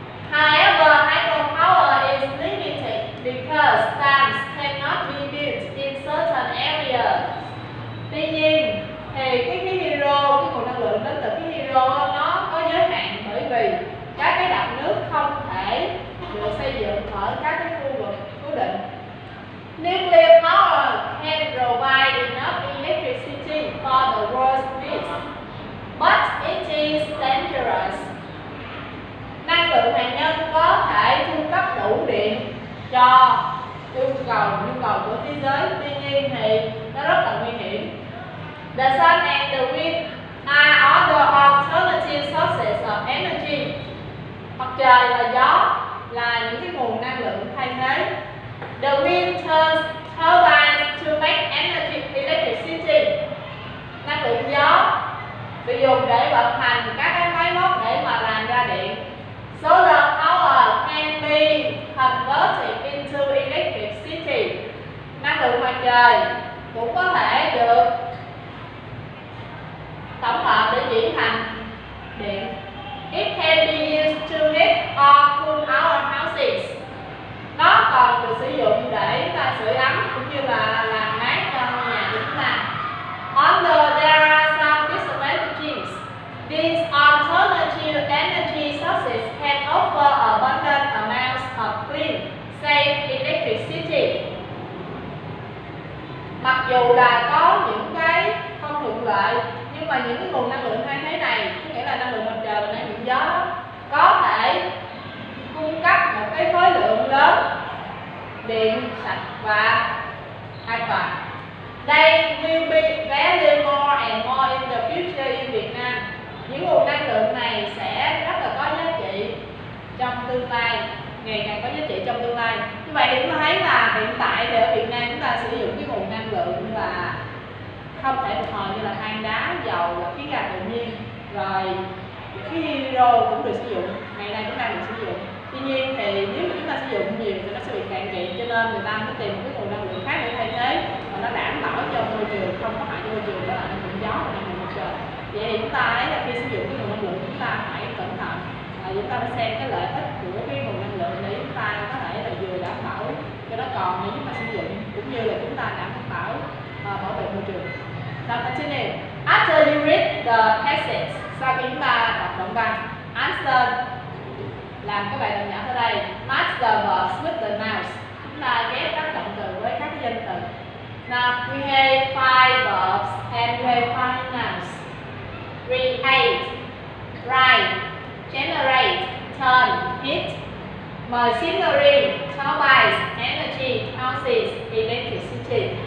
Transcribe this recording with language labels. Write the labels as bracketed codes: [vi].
[en] However, hydropower is limited because dams cannot be built in certain areas. [vi] Tuy nhiên, thì cái khí hydro, cái nguồn năng lượng đến từ khí hydro nó có giới hạn bởi vì các cái đập nước không thể được xây dựng ở các cái khu vực cố định. [en] Nuclear power can provide enough electricity for the world's needs. But it is dangerous. [vi] Năng lượng hạt nhân có thể cung cấp đủ điện cho nhu cầu của thế giới. Tuy nhiên thì nó rất là nguy hiểm. [en] The sun and the wind are other alternative sources of energy. [vi] Mặt trời và gió là những cái nguồn năng lượng thay thế. [en] The wind turns turbines to make energy electricity. [vi] Năng lượng gió được dùng để vận hành các cái máy móc để mà làm ra điện. [en] Solar power can be converted into electricity. [vi] Năng lượng mặt trời cũng có thể được tổng hợp để chuyển thành điện. [en] It can be used to heat or cool our houses. [vi] Nó còn được sử dụng để ta sưởi ấm cũng như là làm mát cho nhà của chúng ta. [en] Under there are some disadvantages. These alternative energy sources can offer abundant amounts of clean, safe electricity. [vi] Mặc dù là có những cái không thuận lợi, nhưng mà những cái nguồn năng lượng thay thế này, có nghĩa là năng lượng mặt trời và năng lượng gió, có thể cung cấp một cái khối lượng lớn điện sạch và an toàn. [en] They will be valued more and more in the future in Vietnam. [vi] Những nguồn năng lượng này sẽ rất là có giá trị trong tương lai, ngày càng có giá trị trong tương lai. Như vậy chúng ta thấy là hiện tại thì ở Việt Nam chúng ta sử dụng cái nguồn năng lượng là không thể phục hồi, như là than đá, dầu và khí ga tự nhiên, rồi khí hydro cũng được sử dụng, ngày nay chúng ta được sử dụng. Tuy nhiên thì nếu mà chúng ta sử dụng nhiều thì nó sẽ bị cạn kiệt, cho nên người ta mới tìm một cái nguồn năng lượng khác để thay thế và nó đảm bảo cho môi trường không có hại cho môi trường, đó là năng lượng gió và năng lượng mặt trời. Vậy thì chúng ta thấy là khi sử dụng cái nguồn năng lượng chúng ta phải cẩn thận, chúng ta phải xem cái lợi ích của cái nguồn năng lượng để chúng ta có thể là vừa đảm bảo cho nó còn để chúng ta sử dụng, cũng như là chúng ta đảm bảo bảo vệ môi trường. [en] Now continue. After you read the passage, [vi] sau khi chúng ta đọc đoạn văn, answer, làm cái bài tập nhỏ ở đây. [en] Match the verbs with the nouns. [vi] Chúng ta ghép các động từ với các danh từ. [en] Now we have five verbs and we have five nouns. Create, write, generate, turn, hit, machinery, turbines, energy, houses, electricity.